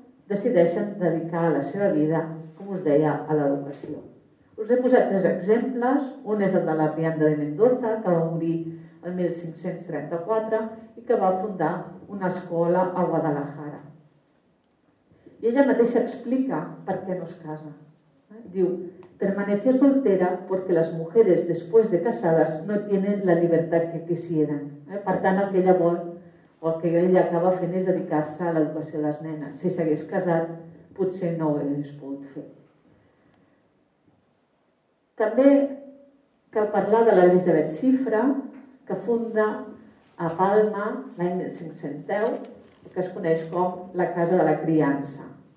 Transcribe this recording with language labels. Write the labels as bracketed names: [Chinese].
[Catalan] decideixen dedicar la seva vida, com us deia, a l'educació. Us he posat tres exemples. Un és el de la Rianda de Mendoza, que va morir el 1534 i que va fundar una escola a Guadalajara. I ella mateixa explica per què no es casa. Diu, [Spanish] permaneció soltera porque las mujeres después de casadas no tienen la libertad que quisieran. [Catalan] Per tant, el que ella vol o el que ella acaba fent és dedicar-se a l'educació de les nenes. Si s'hagués casat, potser no ho hagués pogut fer. També cal parlar de l'Elisabet Cifra, que funda a Palma l'any 1510, que es coneix com la Casa de la Criança.